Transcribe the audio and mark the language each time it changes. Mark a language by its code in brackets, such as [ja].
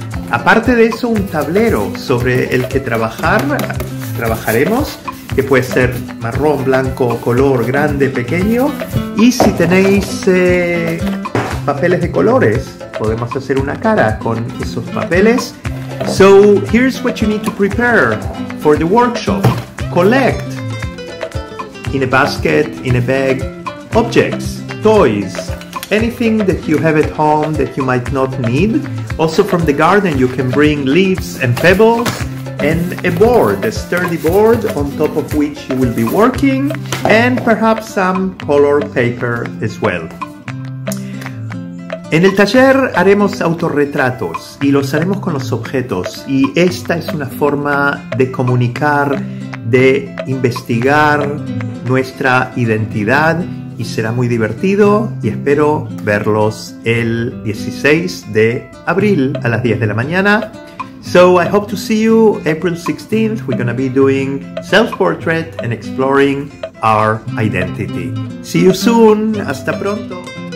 [es] Aparte de eso, un tablero sobre el que trabajaremos, que puede ser marrón, blanco, color, grande, pequeño. Y si tenéis papeles de colores, podemos hacer una cara con esos papeles. [en] So, here's what you need to prepare for the workshop. Collect in a basket, in a bag, objects, toys, anything that you have at home that you might not need. Also from the garden, you can bring leaves and pebbles and a board, a sturdy board on top of which you will be working, and perhaps some color paper as well. [es] En el taller haremos autorretratos y los haremos con los objetos, y esta es una forma de comunicar, de investigar nuestra identidad, y será muy divertido y espero verlos el 16 de abril a las 10 de la mañana. [en] So I hope to see you April 16th. We're going to be doing self-portrait and exploring our identity. See you soon. [es] Hasta pronto.